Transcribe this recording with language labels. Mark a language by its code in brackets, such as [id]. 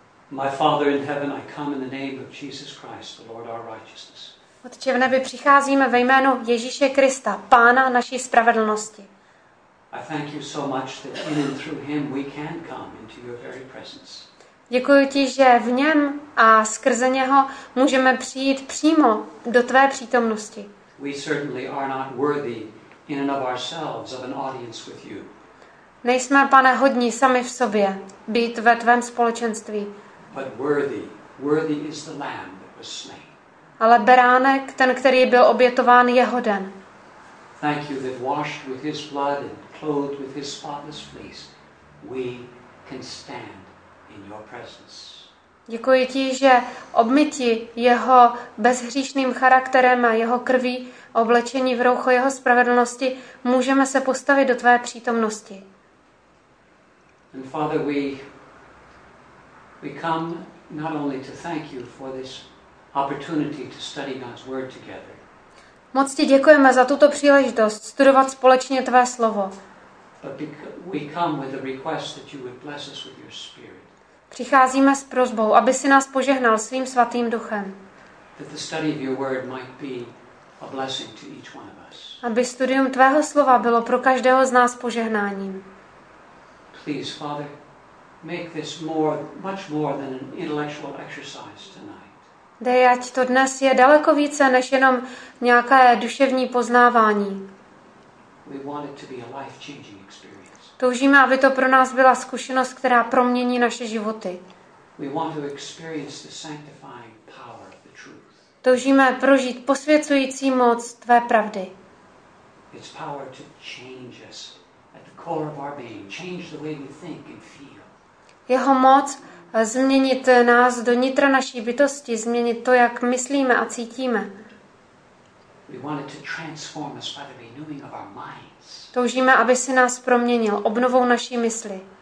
[en] My Father in heaven, I come in the name of Jesus Christ, the Lord our righteousness. [cs] Otče v nebi, přicházíme ve jménu Ježíše Krista, Pána naší spravedlnosti. [en] I thank you so much that in and through him we can come into your very presence. [cs] Děkuji ti, že v něm a skrze něho můžeme přijít přímo do tvé přítomnosti. [en] We certainly are not worthy in and of ourselves of an audience with you. [cs] Nejsme, Pane, hodní sami v sobě být ve tvém společenství. [en] But worthy is the lamb that was slain. [cs] Ale beránek, ten, který byl obětován, je hoden. [en] Thank you that washed with his blood and clothed with his spotless fleece, we can stand in your presence. [cs] Děkuji ti, že obmyti jeho bezhříšným charakterem a jeho krví, oblečení v roucho jeho spravedlnosti, můžeme se postavit do tvé přítomnosti. [en] And Father, we come not only to thank you for this opportunity to study God's word together. [cs] Moc ti děkujeme za tuto příležitost studovat společně tvé slovo. [en] But we come with a request that you would bless us with your spirit. [cs] Přicházíme s prosbou, aby si nás požehnal svým svatým duchem. [en] That the study of your word might be a blessing to each one of us. [cs] Aby studium tvého slova bylo pro každého z nás požehnáním. [en] Please, Father, make this more, much more than an intellectual exercise tonight. [cs] Dej, ať to dnes je daleko více než jenom nějaké duševní poznávání. [en] We want it to be a life-changing experience. [cs] Toužíme, aby to pro nás byla zkušenost, která promění naše životy. [en] We want to experience the sanctifying power of the truth. [cs] Toužíme prožít posvěcující moc tvé pravdy. [en] Its power to change us. Core of our being, change the way we think and feel. [cs] Jeho moc změnit nás do nitra naší bytosti, změnit to, jak myslíme a cítíme. [en] We want it to transform us by the renewing of our minds. [cs] Toužíme, aby si nás proměnil obnovou naší mysli.